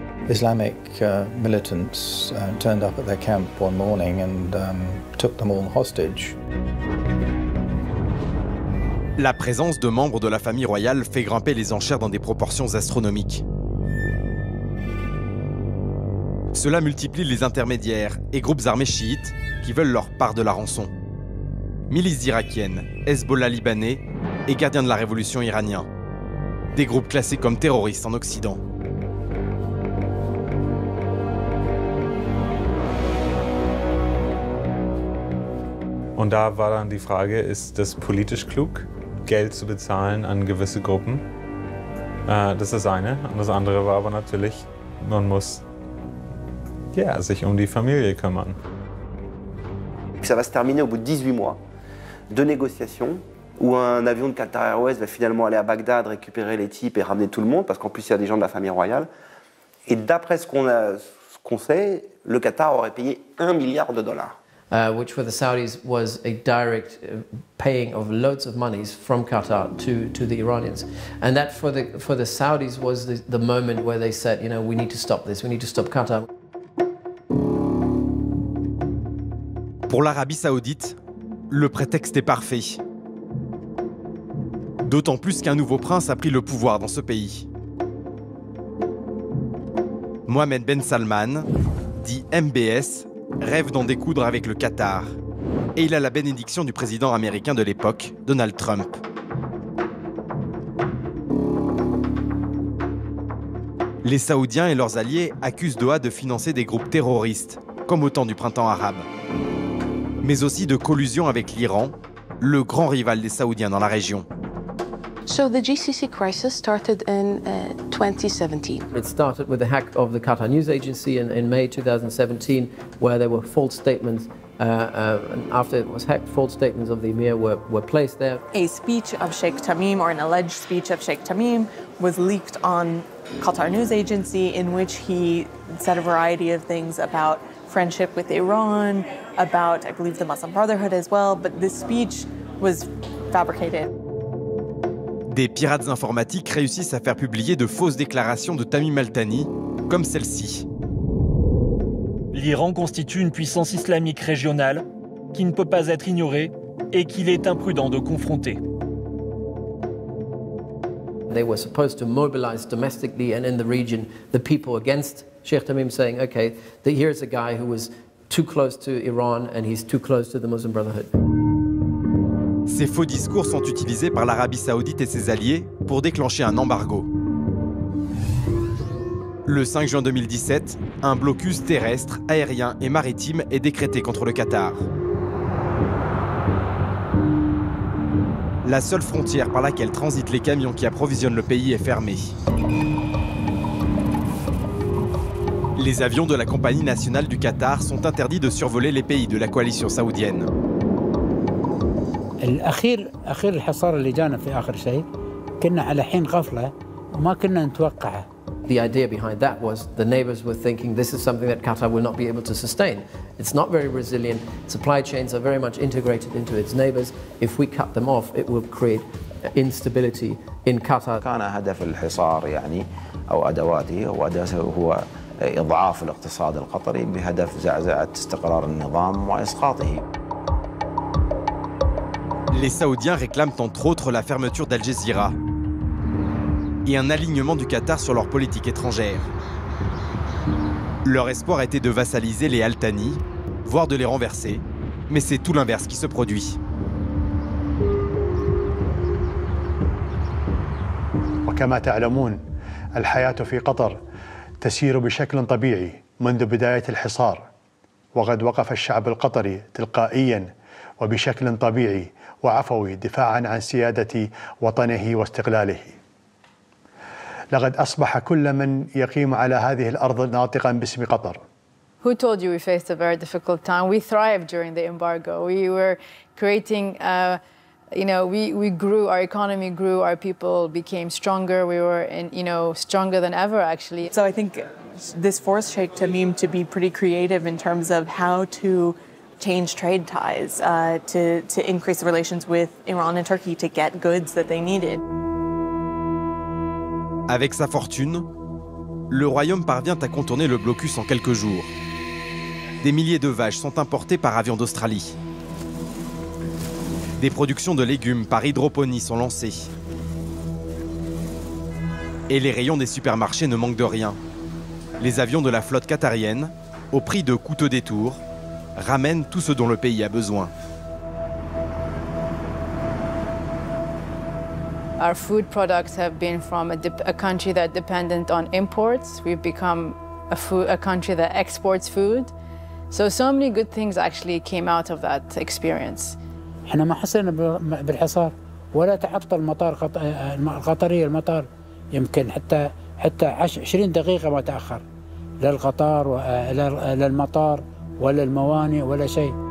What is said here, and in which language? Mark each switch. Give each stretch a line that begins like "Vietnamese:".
English: Islamic militants turned up at their camp one morning and took them all hostage.
French: La présence de membres de la famille royale fait grimper les enchères dans des proportions astronomiques. Cela multiplie les intermédiaires et groupes armés chiites qui veulent leur part de la rançon. Milices irakiennes, Hezbollah libanais et gardiens de la révolution iranien. Des groupes classés comme terroristes en Occident.
German: Und da war dann die Frage, ist das politisch klug, Geld zu bezahlen an gewisse Gruppen? Das ist eine. Und das andere war aber natürlich, man muss sich um die Familie kümmern.
French: Ça va se terminer au bout de 18 mois de négociations, où un avion de Qatar Airways va finalement aller à Bagdad récupérer les types et ramener tout le monde, parce qu'en plus il y a des gens de la famille royale. Et d'après ce qu'on sait, le Qatar aurait payé 1 milliard de dollars.
English: which were the Saudis, was a direct paying of loads of monies from Qatar to the Iranians. And that for the Saudis was the moment where they said, you know, we need to stop this, we need to stop Qatar.
French: Pour l'Arabie Saoudite, le prétexte est parfait. D'autant plus qu'un nouveau prince a pris le pouvoir dans ce pays. Mohamed Ben Salman, dit MBS, rêve d'en découdre avec le Qatar. Et il a la bénédiction du président américain de l'époque, Donald Trump. Les Saoudiens et leurs alliés accusent Doha de financer des groupes terroristes, comme au temps du printemps arabe. Mais aussi de collusion avec l'Iran, le grand rival des Saoudiens dans la région.
English: So the GCC crisis started in 2017. It started with the hack of the Qatar News Agency in May 2017, where there were false statements. And after it was hacked, false statements of the Emir were placed there. A speech of Sheikh Tamim, or an alleged speech of Sheikh Tamim, was leaked on Qatar News Agency, in which he said a variety of things about friendship with Iran, about, I believe, the Muslim Brotherhood as well. But this speech was fabricated.
French: Des pirates informatiques réussissent à faire publier de fausses déclarations de Tamim Al-Thani, comme celle-ci. L'Iran constitue une puissance islamique régionale qui ne peut pas être ignorée et qu'il est imprudent de confronter.
English: They were supposed to mobilize domestically and in the region the people against Sheikh Tamim, saying, okay, here's a guy who was too close to Iran and he's too close to the Muslim Brotherhood.
French: Ces faux discours sont utilisés par l'Arabie Saoudite et ses alliés pour déclencher un embargo. Le 5 juin 2017, un blocus terrestre, aérien et maritime est décrété contre le Qatar. La seule frontière par laquelle transitent les camions qui approvisionnent le pays est fermée. Les avions de la Compagnie nationale du Qatar sont interdits de survoler les pays de la coalition saoudienne.
Arabic: الأخير الحصار اللي جانا في آخر شيء كنا على حين غفلة وما كنا نتوقعه.
English: The idea behind that was the neighbors were thinking this is something that Qatar will not be able to sustain. It's not very resilient. Supply chains are very much integrated into its neighbors. If we cut them off, it will create instability in Qatar.
Arabic: كان هدف الحصار يعني أو أدواته أو أداته هو إضعاف الاقتصاد القطري بهدف زعزعة استقرار النظام وإسقاطه.
French: Les Saoudiens réclament entre autres la fermeture d'Al Jazeera et un alignement du Qatar sur leur politique étrangère. Leur espoir était de vassaliser les Al-Thani, voire de les renverser, mais c'est tout l'inverse qui se produit.
Arabic: وكما تعلمون الحياة في قطر تسير بشكل طبيعي منذ بداية الحصار وقد وقف الشعب القطري تلقائيا وبشكل طبيعي وعفوي دفاعا عن سيادة وطنه واستقلاله لقد أصبح كل من يقيم على هذه الأرض ناطقا باسم قطر.
English: Who told you we faced a very difficult time? We thrived during the embargo. We were creating, you know, we grew, our economy grew, our people became stronger. We were, you know, stronger than ever actually. So I think this forced Sheikh Tamim to be pretty creative in terms of how to change trade ties, to increase relations with Iran and Turkey to get goods that they needed.
French: Avec sa fortune, le royaume parvient à contourner le blocus en quelques jours. Des milliers de vaches sont importées par avion d'Australie. Des productions de légumes par hydroponie sont lancées. Et les rayons des supermarchés ne manquent de rien. Les avions de la flotte qatarienne, au prix de coûteux détours, ramène tout ce dont le pays a besoin.
English: Our food products have been from a country that dependent on imports. We've become a country that exports food. So many good things actually came out of that experience.
Arabic: احنا ما حسينا بالحصار ولا تعطل المطار القطري المطار يمكن حتى 20 دقيقه ما تاخر للقطار للمطار ولا الموانئ ولا شيء